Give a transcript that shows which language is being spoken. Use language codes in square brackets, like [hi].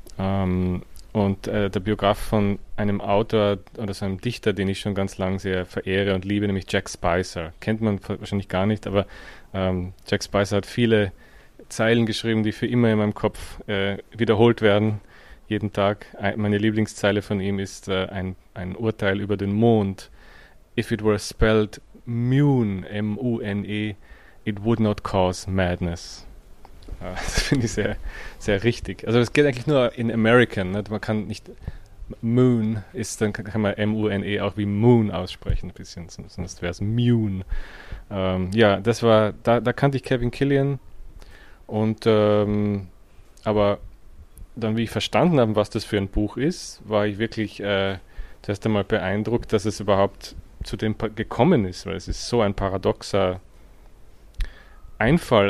[de] Der Biograf von einem Autor oder so einem Dichter, den ich schon ganz lang sehr verehre und liebe, nämlich Jack Spicer. Kennt man wahrscheinlich gar nicht, aber Jack Spicer hat viele Zeilen geschrieben, die für immer in meinem Kopf wiederholt werden. Jeden Tag. Meine Lieblingszeile von ihm ist ein Urteil über den Mond. [en] If it were spelled Mune, M-U-N-E, it would not cause madness. [de] Das finde ich sehr, sehr richtig. Also es geht eigentlich nur in American. Ne? Man kann nicht Moon ist, dann kann man M-U-N-E auch wie Moon aussprechen ein bisschen, sonst wäre es Mune. Da kannte ich Kevin Killian und aber dann, wie ich verstanden habe, was das für ein Buch ist, war ich wirklich zuerst einmal beeindruckt, dass es überhaupt zu dem gekommen ist, weil es ist so ein paradoxer Einfall.